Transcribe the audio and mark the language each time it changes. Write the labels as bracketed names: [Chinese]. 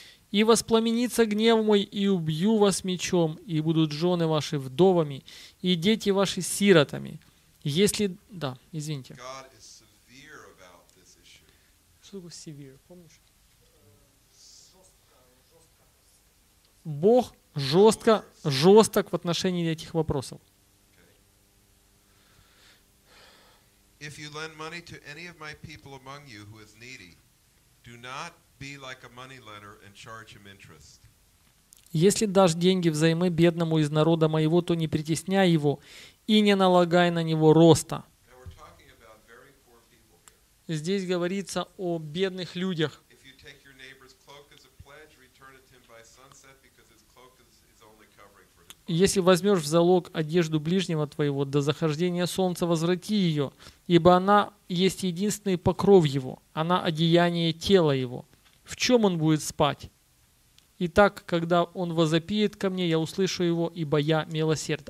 [Russian] и воспламенится гнев мой, и убью вас мечом, и будут жены ваши вдовами, и дети ваши сиротами. Если... Да, извините. [English] God is severe about this issue. [Russian] Что такое severe? Помнишь? Бог жестко, жесток в отношении этих вопросов. [English] If you lend money to any of my people among you who is needy, do not be like a money lender and charge him interest. [Russian] Если дашь деньги взаймы бедному из народа моего, то не притесняй его и не налагай на него роста. [English] Now we're talking about very poor people here. [Russian] Здесь говорится о бедных людях. [English] If you take your neighbor's cloak as a pledge, return it to him by sunset because his cloak is only covering for his body. [Russian] Если возьмешь в залог одежду ближнего твоего до захождения солнца, возврати ее. Ибо она есть единственный покров его, она одеяние тела его. В чем он будет спать? Итак, когда он возопиет ко мне, я услышу его, ибо я милосерд.